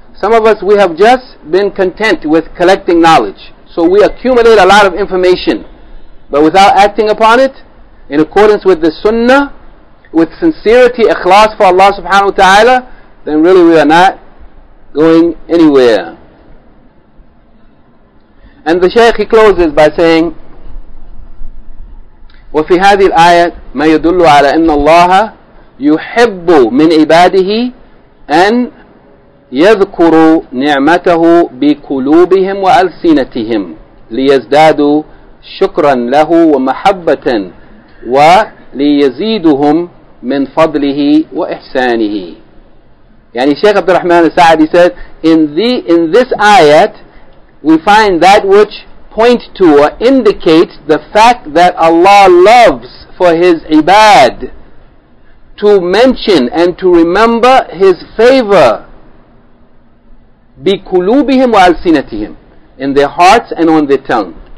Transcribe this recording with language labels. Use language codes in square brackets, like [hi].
[en] Some of us, we have just been content with collecting knowledge. So we accumulate a lot of information. But without acting upon it, in accordance with the sunnah, with sincerity, ikhlas for Allah subhanahu wa ta'ala, then really we are not going anywhere. And the Shaykh, he closes by saying, [ar] وَفِي هَذِهِ الْآيَةِ مَا يَدُلُّ عَلَىٰ أَنَّ اللَّهَ يُحِبُّ مِنْ عِبَادِهِ أَنْ يَذْكُرُوا نِعْمَتَهُ بِقُلُوبِهِمْ وَأَلْسِنَتِهِمْ لِيَزْدَادُوا شُكْرًا لَهُ وَمَحَبَّةً وَلِيَزِيدُهُمْ مِنْ فَضْلِهِ وَإِحْسَانِهِ. [en] Yani Shaykh Abdul Rahman al-Sa'di says, in this ayat, we find that which point to or indicate the fact that Allah loves for His ibad to mention and to remember His favor, [ar] بِكُلُوبِهِمْ وَأَلْسِنَتِهِمْ, [en] in their hearts and on their tongue.